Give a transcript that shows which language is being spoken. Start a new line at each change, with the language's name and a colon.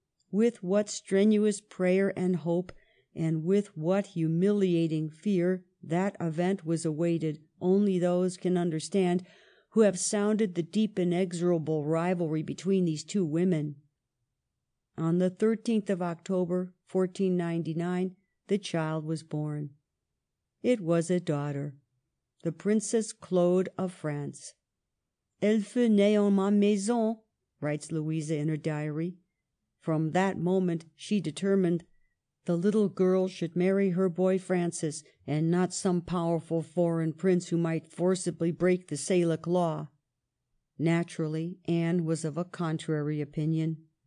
English: With what strenuous prayer and hope, and with what humiliating fear, that event was awaited, only those can understand who have sounded the deep inexorable rivalry between these two women. On the 13th of October, 1499, the child was born. It was a daughter, the Princess Claude of France.
French: Elle fut née en ma maison,
English: writes Louisa in her diary. From that moment, she determined the little girl should marry her boy Francis, and not some powerful foreign prince who might forcibly break the Salic law. naturally, Anne was of a contrary opinion.